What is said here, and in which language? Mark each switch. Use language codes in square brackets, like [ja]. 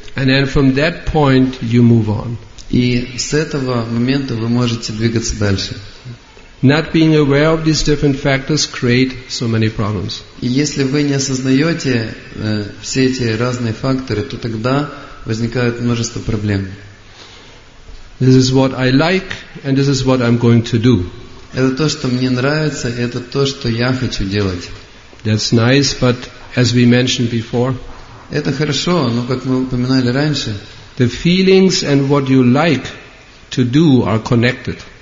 [en] And then from that point you move on. [ru] И с этого момента вы можете двигаться дальше. [en] Not being aware of these different factors create so many problems. [ru] И если вы не осознаете все эти разные факторы, то тогда возникает множество проблем. [en] This is what I like, and this is what I'm going to do. [ru] Это то, что мне нравится, и это то, что я хочу делать. [en] That's nice, but as we mentioned before. [ru] Это хорошо, но как мы упоминали раньше. [en] The feelings and what you like to do are connected.